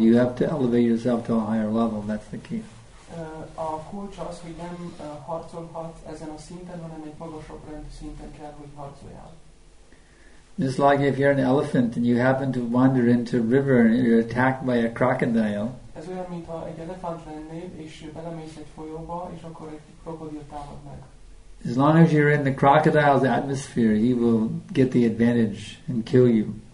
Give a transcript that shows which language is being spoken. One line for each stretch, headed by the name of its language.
English: You have to elevate yourself to a higher level. That's the key.
Hungarian: A kulcs az, hogy nem harcolhat ezen a szinten, hanem egy magasabb rendű szinten kell, hogy harcoljál.
English: Just like if you're an elephant and you happen to wander into a river and you're attacked by a crocodile.
Hungarian: Ez olyan, mint ha egy elefánt lennél, és belemész egy folyóba, és akkor egy krokodil támad meg.
English: As long as you're in the crocodile's atmosphere, he will get the advantage and kill you.